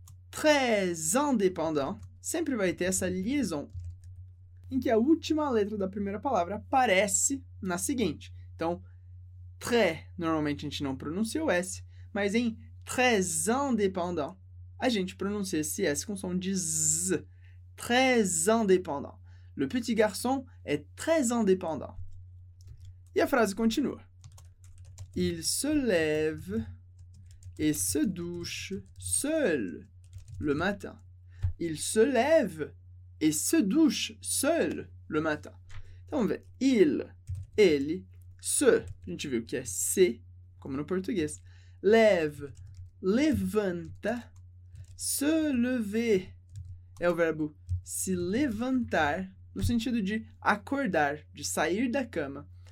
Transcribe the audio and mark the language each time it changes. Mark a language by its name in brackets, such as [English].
[French] Très indépendant [Portuguese] sempre vai ter essa liaison em que a última letra da primeira palavra aparece na seguinte. Então, très, normalmente a gente não pronuncia o S, mas em [French] très indépendant [Portuguese] a gente pronuncia esse S com som de Z. [French] Très indépendant. Le petit garçon est très indépendant. [Portuguese] E a frase continua. [French] Il se lève et se douche seul le matin. Il se lève et se douche seul le matin. [Portuguese] Então, vamos ver. Il, ele, se, a gente viu que é se, como no português. [French] Lève, [Portuguese] levanta, [French] se lever. [Portuguese] É o verbo se levantar, no sentido de acordar, de sair da cama.